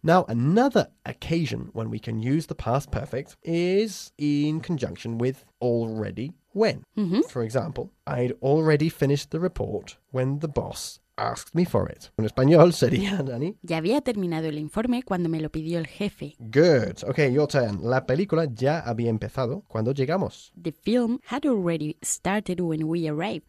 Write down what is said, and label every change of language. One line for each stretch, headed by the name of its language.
English: Now, another occasion when we can use the past perfect is in conjunction with already when. For example, I'd already finished the report when the boss asked me for it.
Spanish: En español sería, Dani. Ya había terminado el informe cuando me lo pidió el jefe.
English: Good. Okay, your turn.
Spanish: La película ya había empezado cuando llegamos.
English: The film had already started when we arrived.